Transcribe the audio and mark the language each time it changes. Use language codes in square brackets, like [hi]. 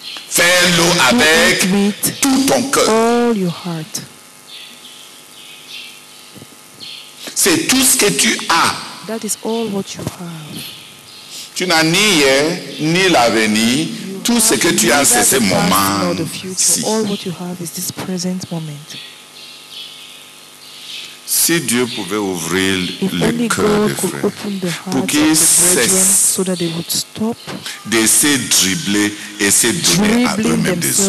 [fr] Fais-le avec tout ton cœur. C'est tout ce que tu as. [en] That is all what you have. [fr] Tu n'as ni hier, ni l'avenir. Tout ce que tu as, c'est ce moment-ci. [en] All what you have is this present moment. [fr] Si Dieu pouvait ouvrir le cœur des frères pour qu'ils cessent de se dribbler et se donner à eux-mêmes des